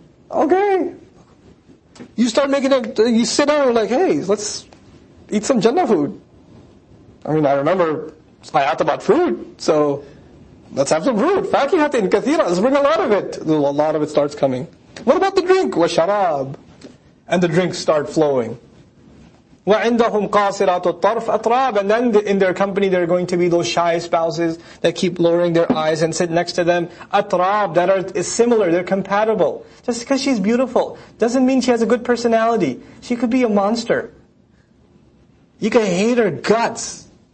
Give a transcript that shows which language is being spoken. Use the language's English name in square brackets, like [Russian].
[English] Okay. You start making you sit down like, hey, let's eat some Jannah food. I mean, I remember ayat about fruit, so let's have some fruit. [Arabic] Fakihatin kathira, [English] let's bring a lot of it. A lot of it starts coming. What about the drink? وَشَرَاب. And the drinks start flowing. [Arabic] وَعِنْدَهُمْ قَاصِرَاتُ الطَّرْفِ أَطْرَاب. [English] And then in their company there are going to be those shy spouses that keep lowering their eyes and sit next to them. [Arabic] أَطْرَاب. [English] That is similar, they're compatible. Just because she's beautiful doesn't mean she has a good personality. She could be a monster. You can hate her guts.